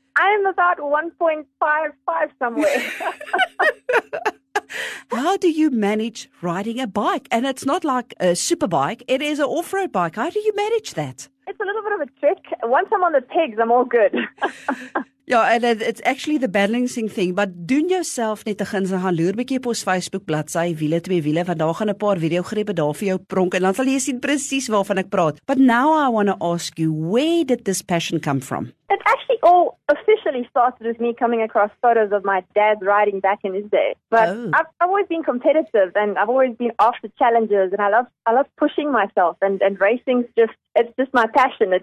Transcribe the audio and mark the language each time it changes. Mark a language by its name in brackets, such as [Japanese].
[English] I'm about 1.55 somewhere. How do you manage riding a bike? And it's not like a super bike. It is an off-road bike. How do you manage that? It's a little bit of a trick. Once I'm on the pegs, I'm all good. Yeah, and it's actually the balancing thing. [Afrikaans] But doen jouself net 'n gunsel, gaan loer bietjie op ons Facebook bladsy Wiele twee wiele, want daar gaan 'n paar videogrepe daar vir jou pronk, en dan sal jy sien presies waarvan ek praat. [English] But now I want to ask you, where did this passion come from? It actually all officially started with me coming across photos of my dad riding back in his day. But oh. I've always been competitive, and I've always been after challenges, and I love pushing myself, and racing's just, it's just my passion.